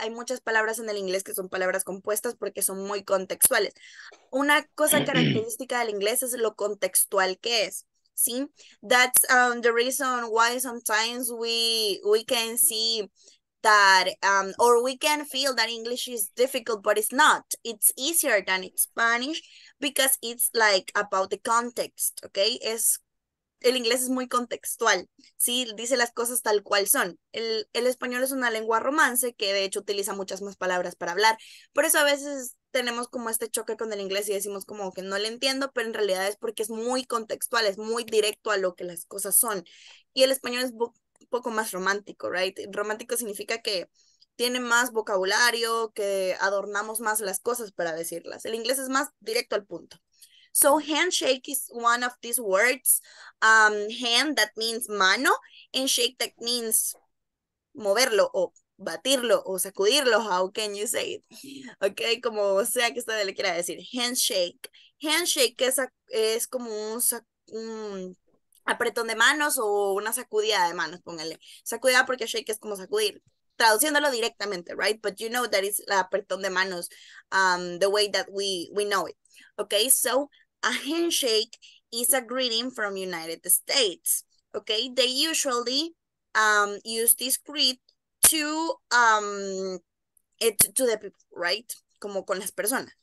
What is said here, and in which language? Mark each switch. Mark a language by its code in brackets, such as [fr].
[es] Hay muchas palabras en el inglés que son palabras compuestas porque son muy contextuales. Una cosa característica del inglés es lo contextual que es. [en] See, that's the reason why sometimes we can see that or we can feel that English is difficult, but it's not. It's easier than Spanish because it's like about the context, okay? [es] Es el inglés es muy contextual. Sí, dice las cosas tal cual son. El español es una lengua romance que de hecho utiliza muchas más palabras para hablar. Por eso a veces tenemos como este choque con el inglés y decimos como que no le entiendo, pero en realidad es porque es muy contextual, es muy directo a lo que las cosas son. Y el español es un poco más romántico, right? Romántico significa que tiene más vocabulario, que adornamos más las cosas para decirlas. El inglés es más directo al punto. [en] So, handshake is one of these words. Hand, that means mano. And shake, that means [es] moverlo o batirlo o sacudirlo. [en] How can you say it? [es] Okay, como sea que usted le quiera decir. Handshake. Handshake es como un apretón de manos o una sacudida de manos, póngale. Sacudida porque shake es como sacudir. Traduciéndolo directamente, right? [en] But you know that is [es] la apretón de manos, [en] the way that we know it. Okay, so a handshake is a greeting from United States. Okay, they usually use this greet to the people, right? [es] Como con las personas.